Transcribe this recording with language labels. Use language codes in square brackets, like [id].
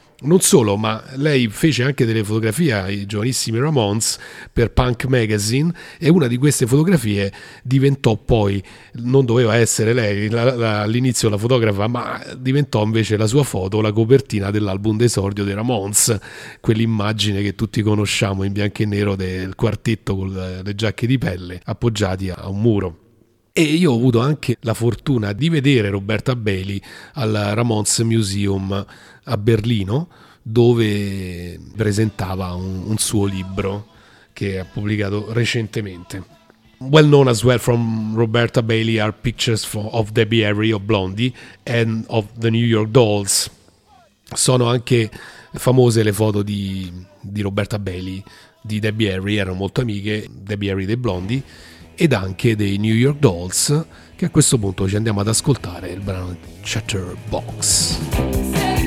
[it] Non solo, ma lei fece anche delle fotografie ai giovanissimi Ramones per Punk Magazine, e una di queste fotografie diventò poi, non doveva essere lei all'inizio la fotografa, ma diventò invece la sua foto, la copertina dell'album d'esordio dei Ramones, quell'immagine che tutti conosciamo in bianco e nero del quartetto con le giacche di pelle appoggiati a un muro. E io ho avuto anche la fortuna di vedere Roberta Bailey al Ramones Museum a Berlino, dove presentava un suo libro che ha pubblicato recentemente. [en] Well known as well from Roberta Bailey are pictures of Debbie Harry of Blondie and of the New York Dolls. [it] Sono anche famose le foto di Roberta Bailey di Debbie Harry, erano molto amiche, Debbie Harry dei Blondie, ed anche dei New York Dolls, che a questo punto ci andiamo ad ascoltare il brano Chatterbox.